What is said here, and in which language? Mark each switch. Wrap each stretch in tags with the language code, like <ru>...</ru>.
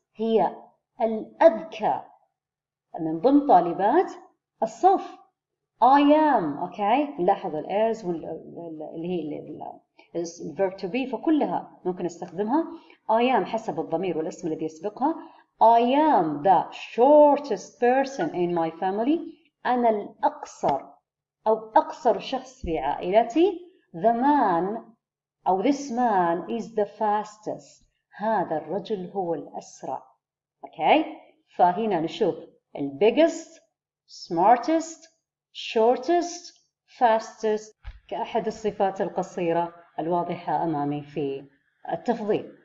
<ar>هي الأذكى من ضمن طالبات الصف.</ar> <en>I am.</en> <ar>أوكي، نلاحظ الـ is اللي هي الـ verb to be، فكلها ممكن نستخدمها.</ar> <en>I am</en> <ar>حسب الضمير والاسم الذي يسبقها.</ar> <en>I am the shortest person in my family.</en> <ar>أنا الأقصر أو أقصر شخص في عائلتي.</ar> <en>The man</en> <ar>أو</ar> <en>this man is the fastest.</en> <ar>هذا الرجل هو الأسرع. Okay؟ فهنا نشوف</ar> <en>the biggest, smartest, shortest, fastest</en> <ar>كأحد الصفات القصيرة الواضحة أمامي في التفضيل.</ar>